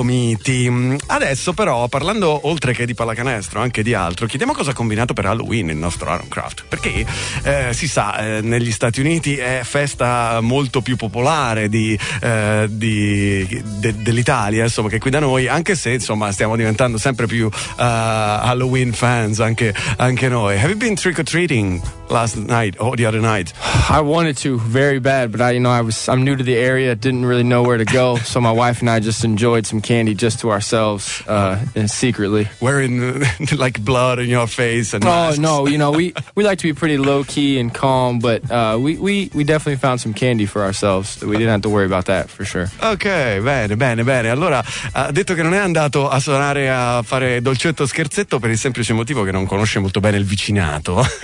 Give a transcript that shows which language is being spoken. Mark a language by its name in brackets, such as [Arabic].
[Italian] Adesso però, parlando oltre che di pallacanestro anche di altro, chiediamo cosa ha combinato per Halloween il nostro Aaron Kraft, perché si sa, negli Stati Uniti è festa molto più popolare dell'Italia, insomma, che qui da noi, anche se insomma stiamo diventando sempre più [English] Halloween fans [Italian] anche noi. [English] Have you been trick-or-treating last night or the other night? I wanted to very bad, but I'm new to the area, didn't really know where to go, so my wife and I just enjoyed some candy just to ourselves and secretly wearing like blood in your face and oh masks. No, you know, we like to be pretty low-key and calm, but we definitely found some candy for ourselves. We didn't have to worry about that for sure. [Italian] Okay, bene. Allora, ha detto che non è andato a suonare a fare dolcetto scherzetto per il semplice motivo che non conosce molto bene il vicinato.